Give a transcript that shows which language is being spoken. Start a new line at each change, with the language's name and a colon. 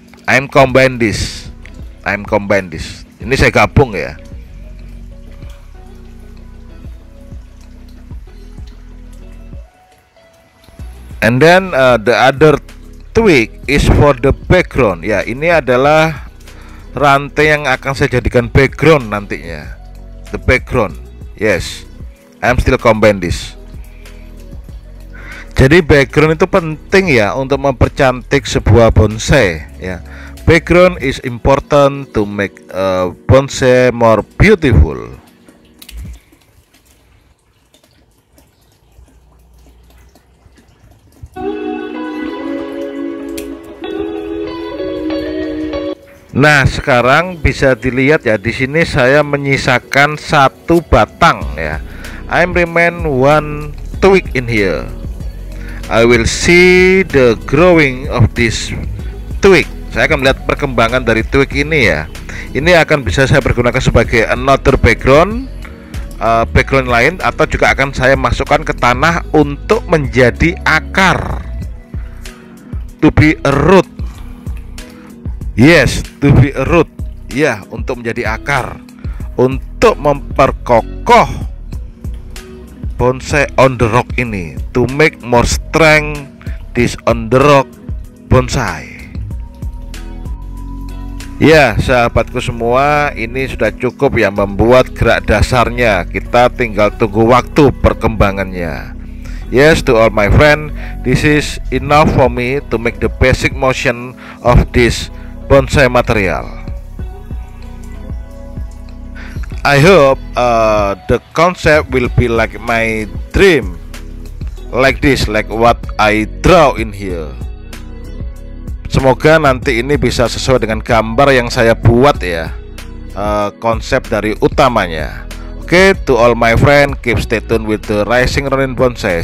English: I'm combine this.
Indonesian: Ini saya gabung ya.
English: And then the other twig is for the background.
Indonesian: Ya, ini adalah ranting yang akan saya jadikan background nantinya.
English: The background. Yes. I'm still combine this.
Indonesian: Jadi background itu penting ya untuk mempercantik sebuah bonsai ya.
English: Background is important to make bonsai more beautiful.
Indonesian: Nah, sekarang bisa dilihat ya, di sini saya menyisakan satu batang ya.
English: I remain one twig in here. I will see the growing of this twig.
Indonesian: Saya akan melihat perkembangan dari twig ini ya. Ini akan bisa saya pergunakan sebagai
English: another background,
Indonesian: background lain, atau juga akan saya masukkan ke tanah untuk menjadi akar,
English: to be a root. Yes, to be a root.
Indonesian: Ya, untuk menjadi akar, untuk memperkokoh bonsai
English: on the rock
Indonesian: ini,
English: to make more strength this on the rock bonsai.
Indonesian: Ya, sahabatku semua, ini sudah cukup ya membuat gerak dasarnya. Kita tinggal tunggu waktu perkembangannya.
English: Yes, to all my friend, this is enough for me to make the basic motion of this bonsai material. I hope the concept will be like my dream, like this, like what I draw in here.
Indonesian: Semoga nanti ini bisa sesuai dengan gambar yang saya buat ya, konsep dari utamanya.
English: Oke, to all my friend, keep stay tuned with the Rising Ronin Bonsai.